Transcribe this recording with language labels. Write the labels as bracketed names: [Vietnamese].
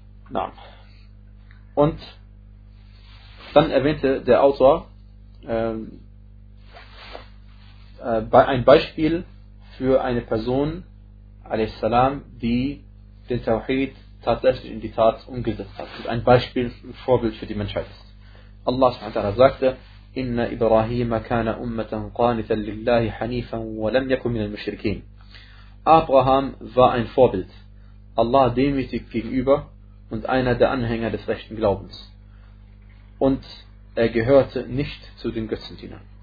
[German] Na. Und dann erwähnte der Autor ein Beispiel für eine Person, alayhi salam, die den Tawhid tatsächlich in die Tat umgesetzt hat. Und ein Beispiel, ein Vorbild für die Menschheit ist. [Arabic] Allah subhanahu wa ta'ala sagte, إن إبراهيم كان أمة قانتا لله حنيفا ولم يكن من المشركين. [German] Abraham war ein Vorbild, Allah demütig gegenüber und einer der Anhänger des rechten Glaubens. Und er gehörte nicht zu den Götzendienern.